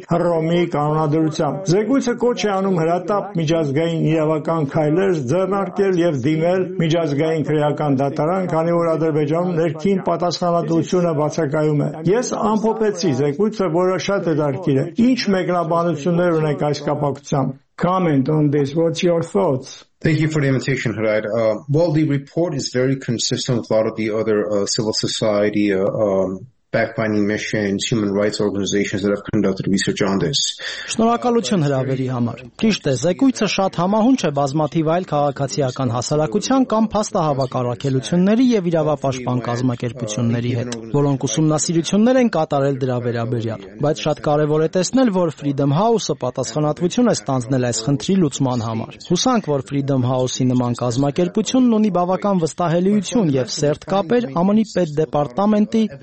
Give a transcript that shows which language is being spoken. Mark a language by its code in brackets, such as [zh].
[hy] Հռոմի կանոնադրությամբ։ Զեկույցը կոչ է անում հրատապ միջազգային իրավական քայլեր ձեռնարկել և դիմել միջազգային քրեական դատարան, քանի որ Ադրբեջանում ներքին պատասխանատվությունը բացակայում է։ Ես ամփոփեցի զեկույցը, որը շատ է դարկիր։ Ինչ մեկնաբանություններ ունեք այս կապակցությամբ? [en] Comment on this. What's your thoughts? Thank you for the invitation, Harid. Well, the report is very consistent with a lot of the other civil society backfinding missions, human rights organizations that have conducted research on this. [hy] Շնորհակալություն հրավերի համար։ Ճիշտ է, զեկույցը շատ համահունչ է բազմաթիվ այլ քաղաքացիական հասարակության կամ փաստահավաք առաքելությունների եւ իրավապաշտպան կազմակերպությունների հետ, որոնք ուսումնասիրություններ են կատարել դրա վերաբերյալ, բայց շատ կարևոր է տեսնել, որ Freedom House-ը պատասխանատվություն է ստանձնել այս խնդրի լուծման համար։ Հուսանք, որ Freedom House-ի նման կազմակերպությունն ունի բավական վստահելիություն եւ սերտ կապեր ԱՄՆ-ի պետ դեպարտամենտի